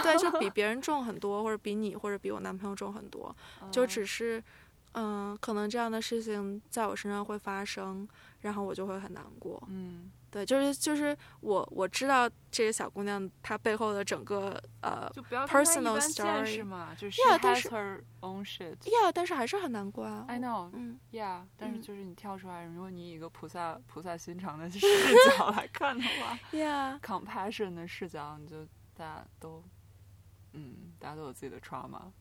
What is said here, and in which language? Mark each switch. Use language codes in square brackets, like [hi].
[zh] 对，就比别人重很多，或者比你或者比我男朋友重很多，就只是可能这样的事情在我身上会发生，然后我就会很难过。对，就是我知道这个小姑娘她背后的整个就不要 [en] personal story [zh] 嘛，就是 [en] she has her own shit。 [zh] Yeah， 但是还是很难过啊。 [en] I know。 [zh] Yeah， 但是就是你跳出来，如果你以一个菩萨心肠的视角来看的话 [en] ，Yeah， [zh] compassion 的视角，你就大家都大家都有自己的 trauma。